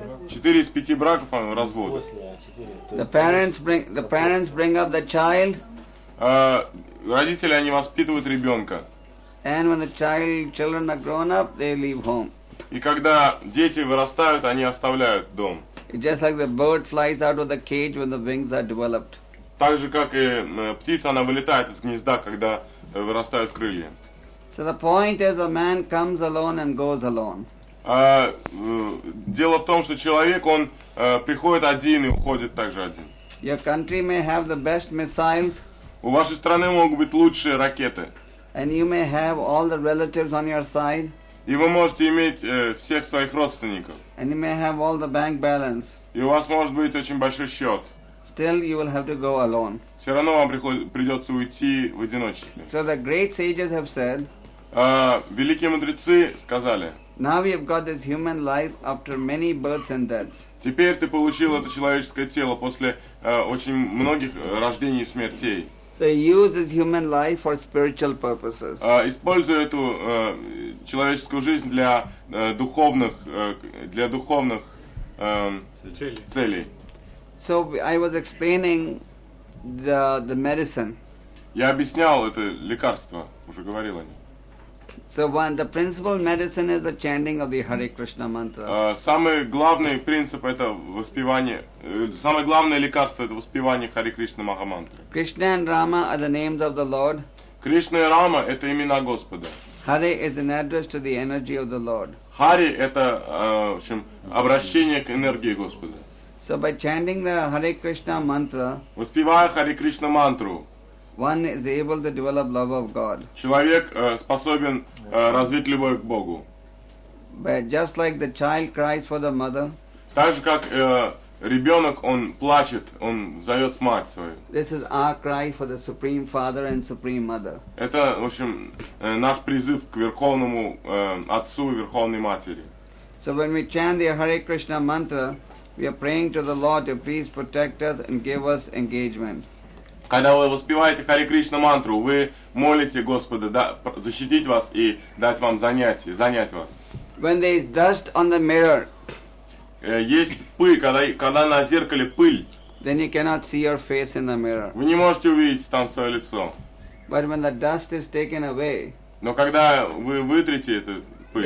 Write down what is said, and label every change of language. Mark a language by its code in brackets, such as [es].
[ru] Четыре из пяти браков разводят. [en] The parents bring up the child. [ru] Родители, они воспитывают ребенка. [en] And when the children are grown up, they leave home. [ru] И когда дети вырастают, они оставляют дом. [en] Just like the bird flies out of the cage when the wings are developed. [ru] Так же, как и птица, она вылетает из гнезда, когда вырастают крылья. [en] So the point is, a man comes alone and goes alone. [ru] Дело в том, что человек, он приходит один и уходит также один. [en] Your country may have the best missiles. [ru] У вашей страны могут быть лучшие ракеты. [en] And you may have all the relatives on your side. [ru] И вы можете иметь всех своих родственников. [en] And you may have all the bank balance. [ru] И у вас может быть очень большой счет. [en] Still, you will have to go alone. [ru] Все равно вам придется уйти в одиночестве. [en] So the great sages have said. [ru] Великие мудрецы сказали. [en] Now you've got this human life after many births and deaths. [ru] Теперь ты получил это человеческое тело после очень многих рождений и смертей. [en] So use this human life for spiritual purposes. [ru] Используй эту человеческую жизнь для духовных целей. [en] So I was explaining the medicine. [ru] Я объяснял это лекарство, уже говорил о нем. [en] So one, the principal medicine is the chanting of the Hare Krishna mantra. [ru] Самый главный принцип это воспевание. Самое главное лекарство это воспевание Hare Krishna Mahamantra. [en] Krishna and Rama are the names of the Lord. [ru] Krishna и Rama это имена Господа. [en] Hare is an address to the energy of the Lord. [ru] Hare это в общем обращение к энергии Господа. [en] So by chanting the Hare Krishna mantra. [ru] Воспевая Hare Krishna mantra. [en] One is able to develop love of God. [ru] Человек способен развить любовь к Богу. [en] But just like the child cries for the mother. [ru] Так же как ребенок он плачет, он зовет мать свою. [en] This is our cry for the supreme father and supreme mother. [ru] Это в общем наш призыв к верховному отцу и верховной матери. [en] So when we chant the Hare Krishna mantra, we are praying to the Lord to please protect us and give us engagement. [ru] Когда вы воспеваете Хари Кришна мантру, вы молите Господа да, защитить вас и дать вам занятие, занять вас. [en] When there is dust on the mirror, [ru] есть пыль, когда на зеркале пыль, [en] then you cannot see your face in the mirror. [ru] Вы не можете увидеть там свое лицо. [en] But when the dust is taken away, [ru] но когда вы вытрете эту пыль,